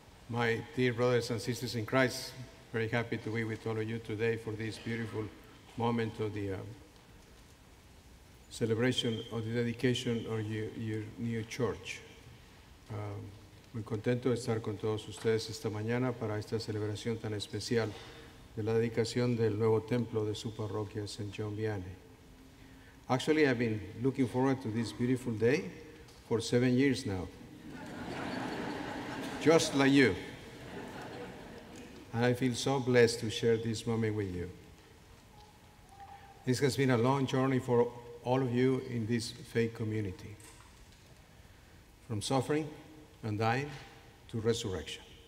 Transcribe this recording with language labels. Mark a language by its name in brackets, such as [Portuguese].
[English] My dear brothers and sisters in Christ, very happy to be with all of you today for this beautiful moment of the celebration of the dedication of your new church. [Spanish] Muy contento de estar con todos ustedes esta mañana para esta celebración tan especial de la dedicación del nuevo templo de su parroquia, St. John Vianney. [English] Actually, I've been looking forward to this beautiful day for 7 years now. Just like you. And I feel so blessed to share this moment with you. This has been a long journey for all of you in this faith community, from suffering and dying to resurrection.